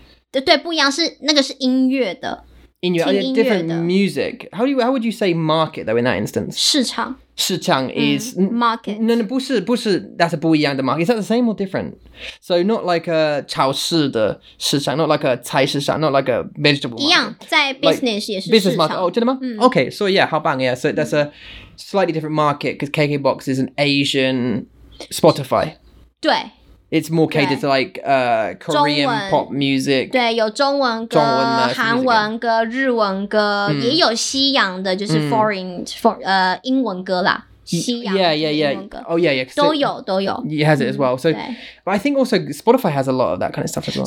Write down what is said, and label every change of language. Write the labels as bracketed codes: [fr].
[zh] 对，不一样，是那个是音乐的，音乐，听音乐的 [en] different music. How would you say market though in that instance? [zh] 市场，市场 is [en] market. No, [zh] 不是，不是 [en] ，that's a 不一样的 market. Is that the same or different? So not like a 超市的市场 ，not like a 菜市场 ，not like a vegetable market. [zh] 一样，在 business 也是市场。 [en] Business market. Oh, [zh] 真的吗？ [en] Okay, so yeah, [zh] 好棒 [en] ，yeah. So that's a slightly different market because KKBOX is an Asian Spotify. [zh] 对。 [en] It's more catered to like Korean pop music. [zh] 对，有中文歌、韩文歌、日文歌，也有西洋的，就是英文歌啦。西洋 [en] ，yeah. Oh yeah. So, [zh] 都有。 [en] He has it as well. So, but I think also Spotify has a lot of that kind of stuff as well.